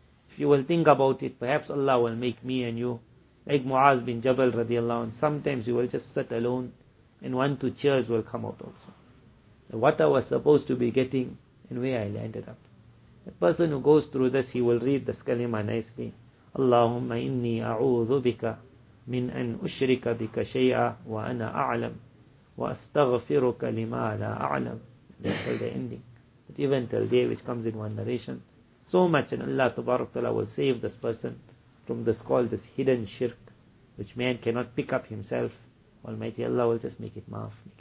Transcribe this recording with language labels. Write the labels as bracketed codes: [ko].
[en] If you will think about it, perhaps Allah will make me and you, like Mu'az bin Jabal radiallahu anhu, sometimes you will just sit alone and 1-2 tears will come out also. What I was supposed to be getting and where I landed up. The person who goes through this, he will read this kalima nicely. [ar] اللهم إني أعوذ بك من أن أشرك بك شيئا وأنا أعلم وأستغفرك لما لا أعلم. [en] Until the ending. But even till day, which comes in one narration. So much, and Allah Ta'ala will save this person from this called this hidden shirk, which man cannot pick up himself. Almighty Allah will just make it maaf.